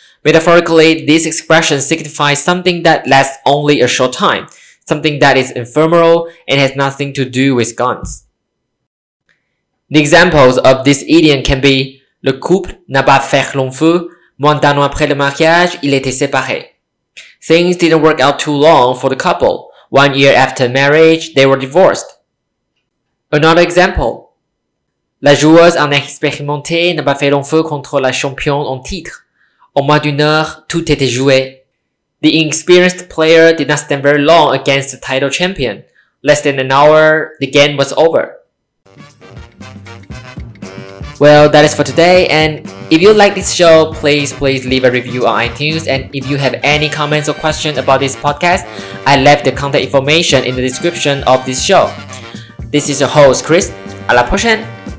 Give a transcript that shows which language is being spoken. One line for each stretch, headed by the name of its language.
English: Metaphorically, this expression signifies something that lasts only a short time, something that is ephemeral and has nothing to do with guns. The examples of this idiom can be
French: le couple n'a pas fait long feu, moins d'un an après le mariage, il était séparé.
English: Things didn't work out too long for the couple. 1 year after marriage, they were divorced. Another example,
French: la joueuse inexpérimentée n'a pas fait long feu contre la championne en titre. Au moins d'une heure, tout était joué.
English: The inexperienced player did not stand very long against the title champion. Less than an hour, the game was over. Well, that is for today, and if you like this show, please leave a review on iTunes, and if you have any comments or questions about this podcast, I left the contact information in the description of this show. This is your host, Chris.
French: À la prochaine!